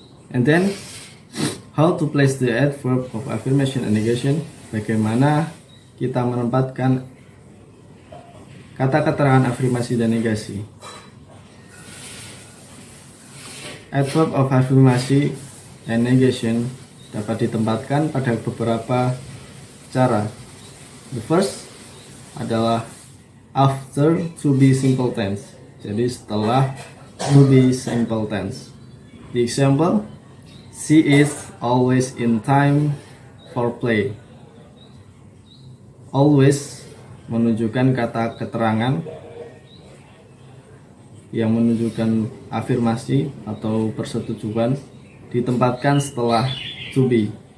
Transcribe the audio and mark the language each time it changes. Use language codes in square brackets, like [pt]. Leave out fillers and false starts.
[en] And then, how to place the adverb of affirmation and negation? [id] Bagaimana kita menempatkan kata keterangan afirmasi dan negasi? Adverb of affirmation and negation dapat ditempatkan pada beberapa cara. [en] The first adalah after to be simple tense. [id] Jadi setelah to be simple tense. [en] The example, she is always in time for play. [id] Always menunjukkan kata keterangan yang menunjukkan afirmasi atau persetujuan ditempatkan setelah to be.